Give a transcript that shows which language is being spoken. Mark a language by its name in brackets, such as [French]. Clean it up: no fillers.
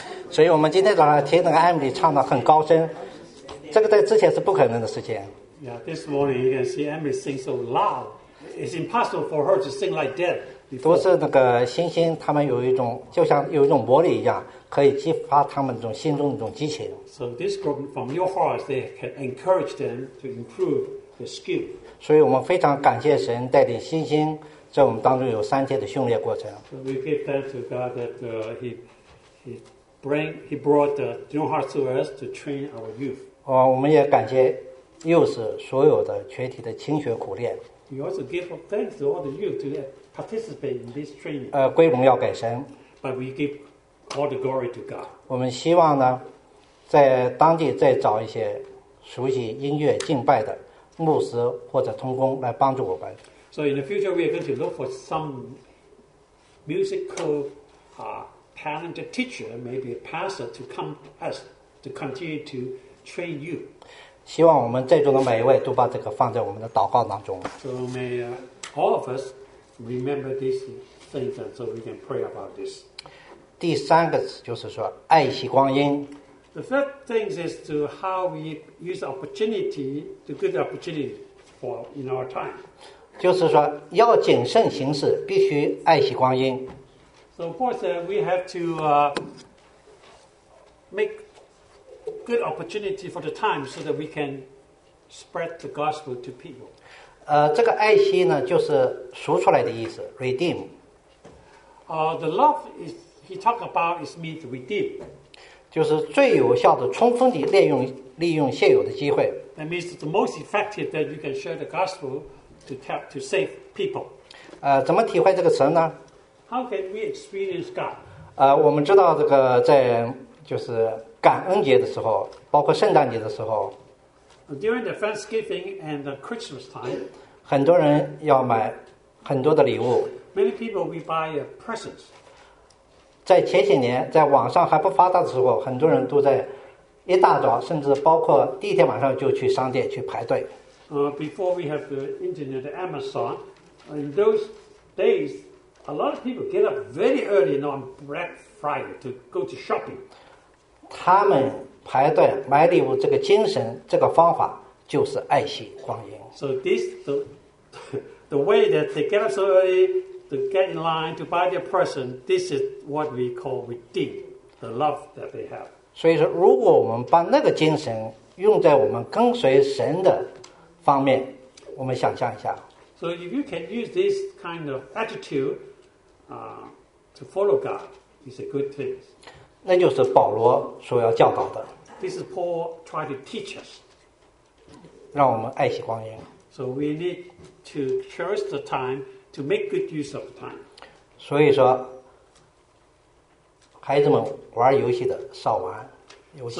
[Chinese] 所以我们今天早上听那个艾米丽唱的很高声，这个在之前是不可能的事情。 [English] Yeah, this morning you can see Emily sing so loud. It's impossible for her to sing like that.、Before. [Chinese] 都是那个星星，他们有一种就像有一种魔力一样，可以激发他们这种心中的这种激情。 [English] So this group from your heart, they can encourage them to improve the skill. [Chinese] 所以我们非常感谢神带领星星在我们当中有三天的训练过程。 [English] So we give thanks to God that He brought the new heart to us to train our youth. [Chinese] 我们也感谢幼师所有的全体的勤学苦练。 [English] We also give thanks to all the youth to participate in this training. [Chinese] 归荣耀给神。 [English] But we give all the glory to God. [Chinese] 我们希望呢，在当地再找一些熟悉音乐敬拜的牧师或者同工来帮助我们。 [English] So in the future, we are going to look for some musical, talented teacher, maybe a pastor, to come us to continue to train you. [Chinese] 希望我们在座的每一位都把这个放在我们的祷告当中。 [English] So may all of us remember these things, and so we can pray about this. [Chinese] 第三个就是说爱惜光阴。 [English] The third thing is to how we use opportunity, the good opportunity for in our time. [Chinese] 就是说要谨慎行事，必须爱惜光阴。 [English] So of course, we have to make good opportunity for the time so that we can spread the gospel to people. [Chinese] 这个爱惜呢，就是赎出来的意思 ，redeem. [English] The love is he talk about is mean to redeem. [Chinese] 就是最有效的、充分地利用现有的机会。 [English] That means the most effective that you can share the gospel to save people. [Chinese] 怎么体会这个词呢？ [English] How can we experience God? [Chinese] 我们知道这个在就是感恩节的时候，包括圣诞节的时候 [English] ，during the Thanksgiving and the Christmas time, [Chinese] 很多人要买很多的礼物。 [English] Many people we buy presents. [Chinese] 在前些年，在网上还不发达的时候，很多人都在一大早，甚至包括第一天晚上就去商店去排队。 [English] before we have the internet, the Amazon, in those days, a lot of people get up very early on Black Friday to go to shopping. [Chinese] 他们排队买礼物这个精神，这个方法就是爱惜光阴。 [English] So this the way that they get up so early to get in line to buy their present, this is what we call redeem the love that they have. [Chinese] 所以说，如果我们把那个精神用在我们跟随神的方面，我们想象一下。 [English] So if you can use this kind of attitude, to follow God, it's a good thing. [Chinese] 那就是保罗所要教导的。 [English] This is Paul trying to teach us. [Chinese] 让我们爱惜光阴。 [English] So we need to cherish the time to make good use of the time. [Chinese] 所以说，孩子们玩游戏的少玩游戏。